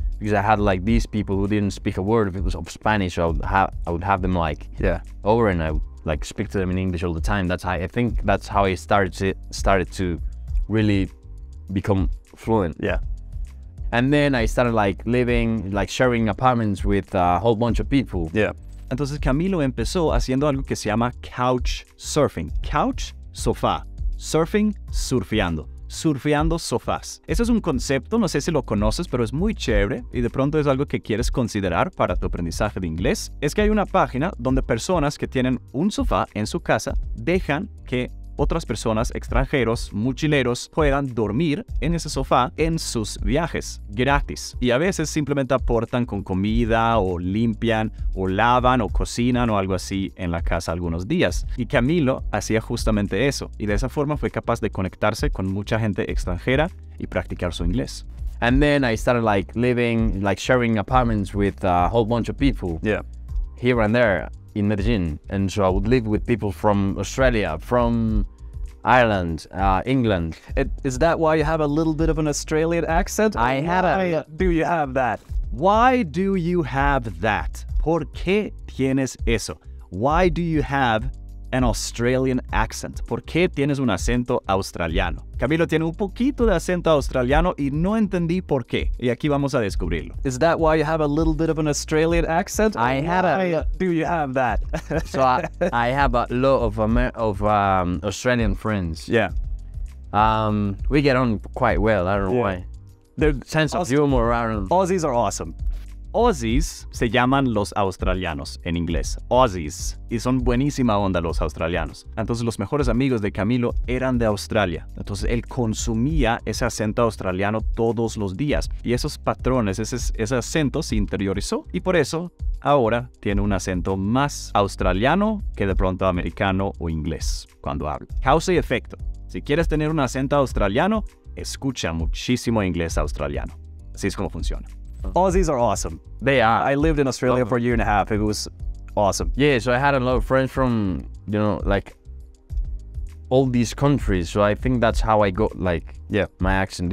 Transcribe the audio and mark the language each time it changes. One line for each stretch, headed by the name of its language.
English: Because I had like these people who didn't speak a word of Spanish, I would have them like over, and I would like speak to them in English all the time. I think that's how I started to really become fluent. Yeah. And then I started like living, like sharing apartments with a whole bunch of people. Yeah.
Spanish: Entonces Camilo empezó haciendo algo que se llama couch surfing. Couch, sofá. Surfing, surfeando. Surfeando sofás. Ese es un concepto, no sé si lo conoces, pero es muy chévere y de pronto es algo que quieres considerar para tu aprendizaje de inglés. Es que hay una página donde personas que tienen un sofá en su casa dejan que otras personas, extranjeros, mochileros, puedan dormir en ese sofá en sus viajes, gratis. Y a veces simplemente aportan con comida, o limpian, o lavan, o cocinan, o algo así en la casa algunos días. Y Camilo hacía justamente eso. Y de esa forma fue capaz de conectarse con mucha gente extranjera y practicar su inglés.
English: And then I started like living, like sharing apartments with a whole bunch of people. Yeah. Here and there. In Medellin, and so I would live with people from Australia, from Ireland, England. Is that why you have a little bit of an Australian accent? I have it. Do you have that? Why do you have that?
Spanish: ¿Por qué tienes eso?
English: Why do you have an Australian accent?
Spanish: ¿Por qué tienes un acento australiano? Camilo tiene un poquito de acento australiano y no entendí por qué. Y aquí vamos a descubrirlo.
English: Is that why you have a little bit of an Australian accent? I have why a... do you have that? So I have a lot of Australian friends. Yeah. We get on quite well. I don't know why. Their sense of humor around them. Aussies are awesome.
Spanish: Aussies se llaman los australianos en inglés. Aussies. Y son buenísima onda los australianos. Entonces, los mejores amigos de Camilo eran de Australia. Entonces, él consumía ese acento australiano todos los días. Y esos patrones, ese acento se interiorizó. Y por eso, ahora tiene un acento más australiano que de pronto americano o inglés cuando habla. Causa y efecto. Si quieres tener un acento australiano, escucha muchísimo inglés australiano. Así es como funciona.
English: Aussies are awesome. They are. I lived in Australia for a year and a half. It was awesome. Yeah, so I had a lot of friends from, you know, like, all these countries. So I think that's how I got, like, my accent.